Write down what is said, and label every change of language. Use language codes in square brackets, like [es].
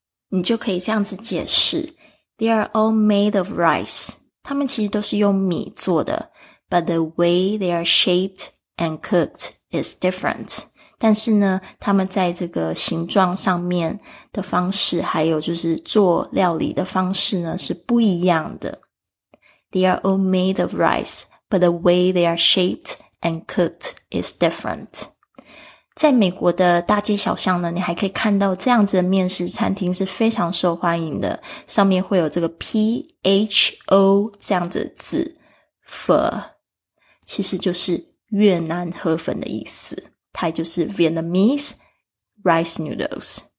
[en] 你就可以这样子解释 They are all made of rice， [zh] 他们其实都是用米做的， [en] But the way they are shaped and cooked is different. [zh] 但是呢，他们在这个形状上面的方式，还有就是做料理的方式呢，是不一样的。 [en] They are all made of rice, but the way they are shaped and cooked is different. [zh] 在美国的大街小巷呢，你还可以看到这样子的面食餐厅是非常受欢迎的，上面会有这个 P-H-O 这样子的字。 Pho 其实就是越南河粉的意思，它就是 [en] Vietnamese rice noodles。